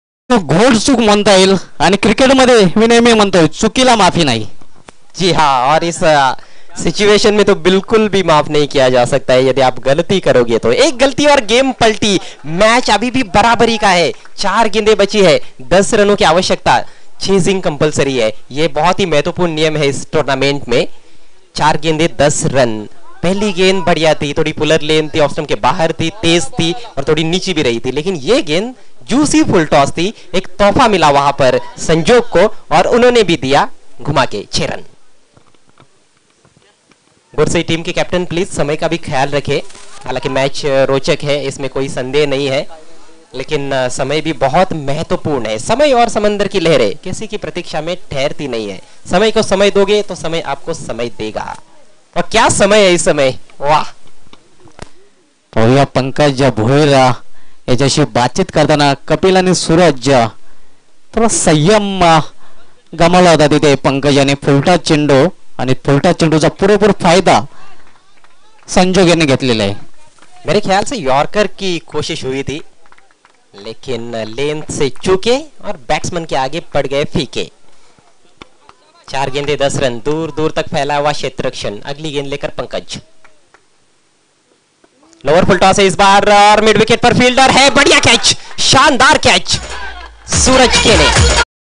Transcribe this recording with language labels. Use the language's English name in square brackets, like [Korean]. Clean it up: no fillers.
[Marathi] गोल चूक म्हणता येईल आणि क्रिकेटमध्ये मी नेहमी म्हणतो चुकीला माफी नाही। [Hindi] जी हाँ, और इस सिचुएशन में तो बिल्कुल भी माफ नहीं किया जा सकता है, यदि आप गलती करोगे तो। एक गलती और गेम पलटी, मैच अभी भी बराबरी का है, 4 गेंदे बची है, 10 रनों की आवश्यकता, चेजिंग कंपलसरी है, ये बहुत ही महत्वपूर्ण नियम है इस टूर्नामेंट में। 4 गेंदे 10 रन, पहली गेंद बढ़िया थी, थोड़ी पुलर लेन थी, ऑफ स्टंप के बाहर थी, तेज थी और थोड़ी नीचे भी रही थी, लेकिन ये गेंद जूसी फुल टॉस थी, एक तोहफा मिला वहां पर संजोग को और उन्होंने भी दिया घुमा के 6 रन। गोरसई टीम के कैप्टन प्लीज समय का भी ख्याल रखें, हालांकि मैच रोचक है इसमें कोई संदेह नहीं है, लेकिन समय भी बहुत महत्वपूर्ण है। समय और समंदर की लहरें किसी की प्रतीक्षा में ठहरती नहीं है, समय को समय दोगे तो समय आपको समय देगा, और क्या समय है इस समय, वाह। [Marathi] और यह पंकज भोयर याच्याशी बातचीत करताना कपिल आणि सूरज थोडा संयम गमावला होता तिथे पंकजाने, फुलटा चेंडू आणि फुलटा चेंडूचा पुरेपूर फायदा संजोग यांनी घेतलेला आहे। [Hindi] मेरे ख्याल से यॉर्कर की कोशिश हुई थी लेकिन लेंथ से चूके और बैट्समैन के आगे पड़ गए फीके। 4 गेंदे 10 रन, दूर दूर तक फैला हुआ क्षेत्ररक्षण, अगली गेंद लेकर पंकज, लोअर फुल टॉस है इस बार और मिड विकेट पर फील्डर है, बढ़िया कैच, शानदार कैच सूरज के लिए।